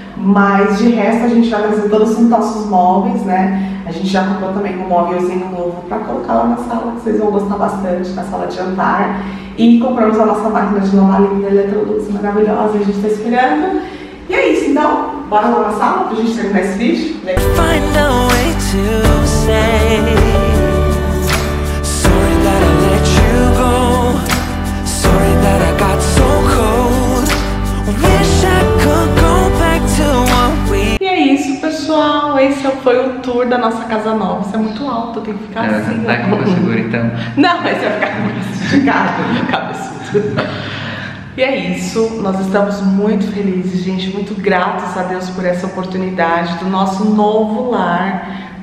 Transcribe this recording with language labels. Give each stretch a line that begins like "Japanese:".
Portuguese: Mas de resto a gente vai trazer todos os nossos móveis, né? A gente já comprou também um móvelzinho novo para colocar lá na sala, que vocês vão gostar bastante, na sala de jantar. E compramos a nossa máquina de lavar linda Electrolux maravilhosa, a gente está esperando. E é isso, então, bora lá na sala pra gente terminar esse vídeo. Né?
English: Find a way to say sorry that I let you go. Sorry that I got so cold. Wish I could go back to what we.
Portuguese: E é isso, pessoal. Esse foi o tour da nossa casa nova. Isso é muito alto, tem que ficar assim. Tá com a segura então. Não, mas você vai ficar esticado, cabeçudo. E é isso. Nós estamos muito felizes, gente. Muito gratos a Deus por essa oportunidade do nosso novo lar.